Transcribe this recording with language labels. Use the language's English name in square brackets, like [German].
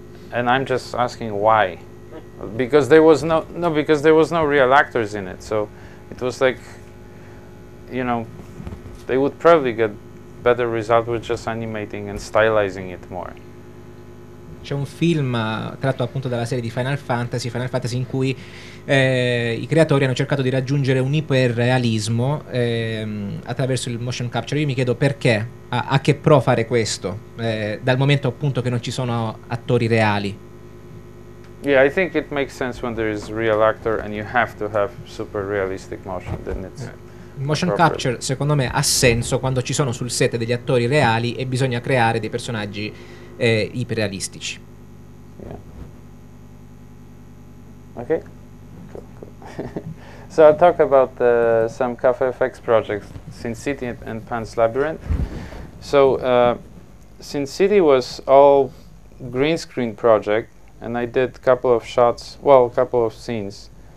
[English] And I'm just asking why, because there was no real actors in it, so it was like, you know, they would probably get better result with just animating and stylizing it more. [Italian] C'è un film tratto appunto dalla serie di Final Fantasy in cui i creatori hanno cercato di raggiungere un iperrealismo attraverso il motion capture. Io mi chiedo perché, a che pro fare questo, dal momento appunto che non ci sono attori reali. [English] Yeah, I think it makes sense when there is real actor and you have to have super realistic motion, then it's [Italian] motion capture, secondo me, ha senso quando ci sono sul set degli attori reali e bisogna creare dei personaggi iperrealistici. [English] Yeah. Okay. Cool. So I'll talk about some Cafe FX projects, Sin City and Pan's Labyrinth. So Sin City was all green screen project, and I did a couple of scenes.